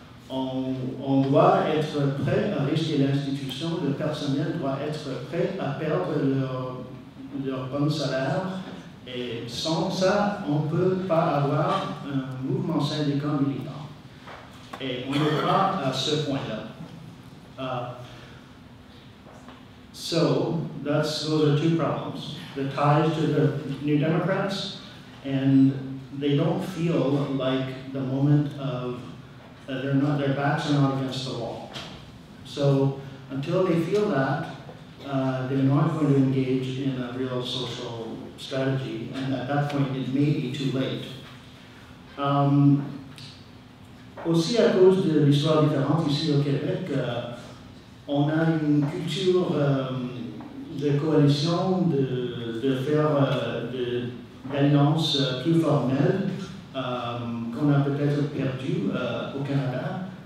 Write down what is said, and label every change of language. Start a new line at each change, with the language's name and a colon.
French: On doit être prêt à risquer l'institution, le personnel doit être prêt à perdre leur bon salaire. Et sans ça, on ne peut pas avoir un mouvement syndical militant. Et on n'est pas à ce point-là.
English: So, those are two problems. The ties to the New Democrats, and they don't feel like the moment of, their backs are not against the wall. So, until they feel that, they're not going to engage in a real social strategy, and at that point, it may be too late.
French: Aussi à cause de l'histoire différente ici au Québec, on a une culture de coalition, de faire d'alliance plus formelle qu'on a peut-être perdu au Canada.